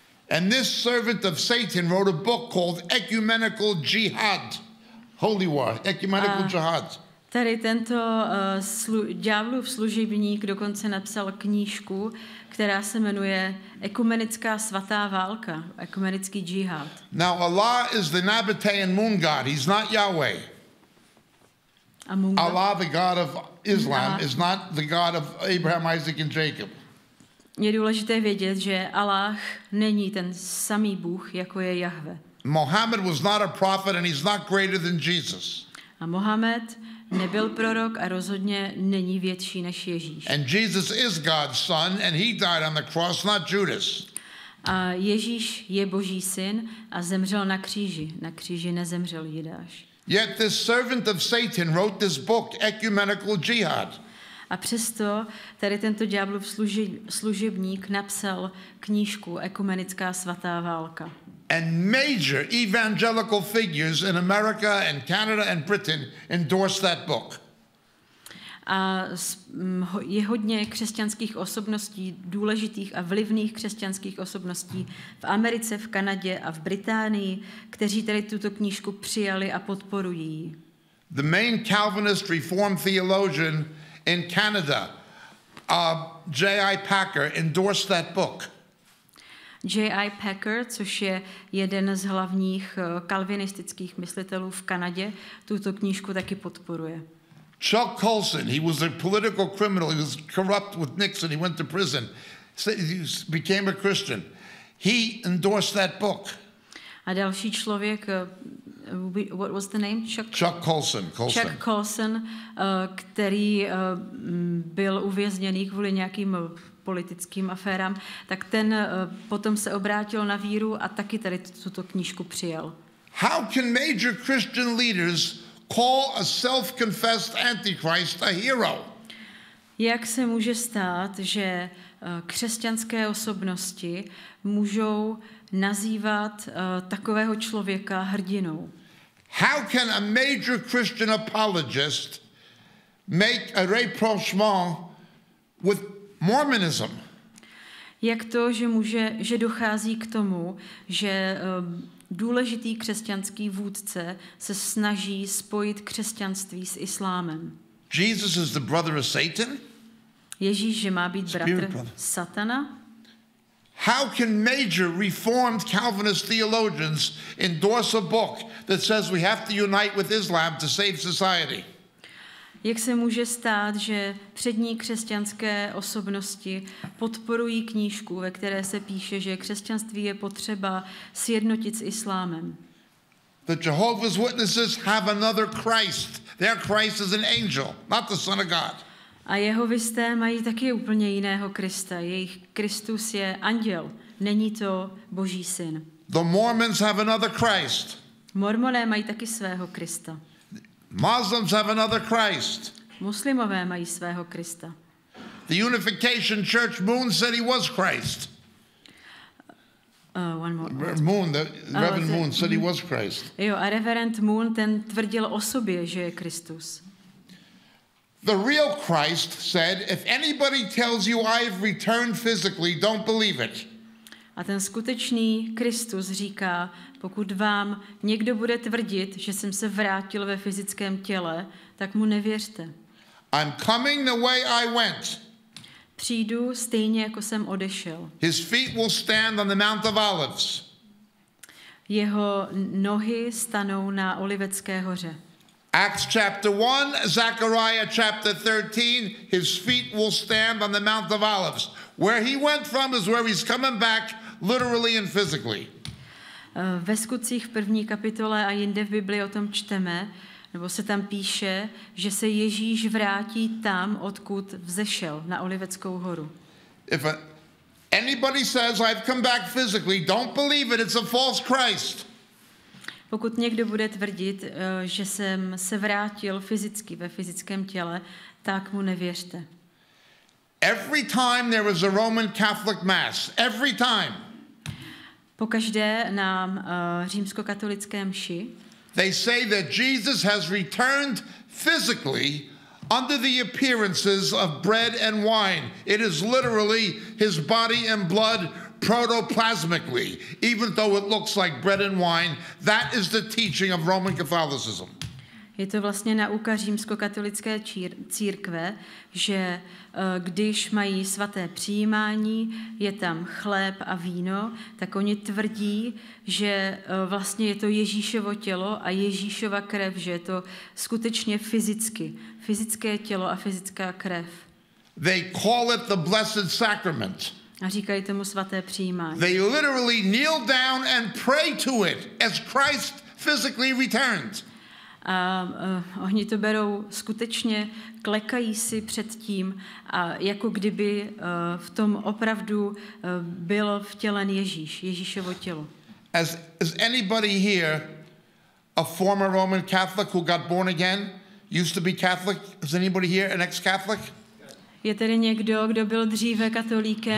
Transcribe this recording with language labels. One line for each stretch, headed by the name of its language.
English: And this servant of Satan wrote a book called Ecumenical Jihad. Holy War, Ecumenical Jihad.
Czech: Tady tento ďáblův služebník dokonce napsal knížku, která se jmenuje Ekumenická svatá válka, ekumenický džihad.
English: Now Allah is the Nabataean moon god, he's not Yahweh. Allah, the god of Islam, is not the god of Abraham, Isaac and Jacob.
Czech: Je důležité vědět, že Allah není ten samý Bůh, jako je Jahve.
English: Muhammad was not a prophet and he's not greater than Jesus.
Czech: A Muhammad nebyl prorok a rozhodně není větší než Ježíš.
English: And Jesus is God's son and he died on the cross, not Judas.
Czech: A Ježíš je Boží syn a zemřel na kříži. Na kříži nezemřel Judáš.
English: Yet this servant of Satan wrote this book, Ecumenical Jihad.
Czech: A přesto tady tento ďáblův služebník napsal knížku Ekumenická svatá válka.
English: And major evangelical figures in America and Canada and Britain endorsed that book.
Czech: A je hodně křesťanských osobností, důležitých a vlivných křesťanských osobností v Americe, v Kanadě a v Británii, kteří tady tuto knížku přijali a podporují.
English: The main Calvinist Reformed theologian in Canada, J.I. Packer endorsed that book. J.I.
Czech: Packer, což je jeden z hlavních kalvinistických myslitelů v Kanadě, tuto knížku taky podporuje.
English: Chuck Colson, he was a political criminal, he was corrupt with Nixon, he went to prison, he became a Christian. He endorsed that book.
Czech: A další člověk,
English: what was the name? Chuck Colson.
Czech: Chuck Colson, který byl uvězněný kvůli nějakým politickým aférám, tak ten potom se obrátil na víru a taky tady tuto knížku přijal.
English: How can major Christian leaders call a self-confessed antichrist a hero?
Czech: Jak se může stát, že křesťanské osobnosti můžou nazývat takového člověka hrdinou?
English: How can a major Christian apologist make a rapprochement with Mormonism?
Czech: Jak to, že dochází k tomu, že důležitý křesťanský vůdce se snaží spojit křesťanství s islámem?
English: Jesus is the brother of Satan?
Czech: Ježíš, že má být bratr Satana?
English: How can major Reformed Calvinist theologians endorse a book that says we have to unite with Islam to save society?
Czech: Jak se může stát, že přední křesťanské osobnosti podporují knížku, ve které se píše, že křesťanství je potřeba sjednotit s islámem?
English: The Jehovah's Witnesses have another Christ. Their Christ is an angel, not the Son of God.
Czech: A jehovisté mají taky úplně jiného Krista. Jejich Kristus je anděl, není to Boží syn.
English: The Mormons have another Christ.
Czech: Mormoné mají taky svého Krista.
English: Muslims have another Christ.
Czech: Muslimové mají svého Krista.
English: The Unification Church Moon said he was Christ. Reverend Moon said he was Christ.
Czech: Jo, a reverend Moon, ten tvrdil o sobě, že je Kristus.
English: The real Christ said, if anybody tells you I've returned physically, don't believe it.
Czech: A ten skutečný Kristus říká, pokud vám někdo bude tvrdit, že jsem se vrátil ve fyzickém těle, tak mu nevěřte.
English: I'm coming the way I went.
Czech: Přijdu stejně, jako jsem odešel.
English: His feet will stand on the Mount of Olives.
Czech: Jeho nohy stanou na Olivecké hoře.
English: Acts chapter 1, Zechariah chapter 13, his feet will stand on the Mount of Olives. Where he went from is where he's coming back, literally and physically.
Czech: Ve Skutcích v první kapitole a jinde v Biblii o tom čteme, nebo se tam píše, že se Ježíš vrátí tam, odkud vzešel, na Oliveckou horu.
English: If anybody says I've come back physically, don't believe it, it's a false Christ.
Czech: Pokud někdo bude tvrdit, že jsem se vrátil fyzicky ve fyzickém těle, tak mu nevěřte.
English: Every time there was a Roman Catholic mass, every time.
Czech: Pokaždé na římskokatolické mši.
English: They say that Jesus has returned physically under the appearances of bread and wine. It is literally his body and blood. Protoplasmically, even though it looks like bread and wine, that is the teaching of Roman Catholicism.
Czech: Je to vlastně nauka římskokatolické církve, že když mají svaté přijímání, je tam chléb a víno, tak oni tvrdí, že vlastně je to Ježíšovo tělo a Ježíšova krev, že je to skutečně fyzicky, fyzické tělo a fyzická krev.
English: They call it the Blessed Sacrament.
Czech: A říkají tomu svaté přijímání.
English: They literally kneel down and pray to it as Christ physically returns.
Czech: A oni to berou skutečně, klekají si před tím, a jako kdyby v tom opravdu byl vtělen Ježíš, Ježíšovo tělo.
English: Is anybody here a former Roman Catholic who got born again, used to be Catholic? Is anybody here an ex-Catholic?
Czech: Je tady někdo, kdo byl dříve katolíkem?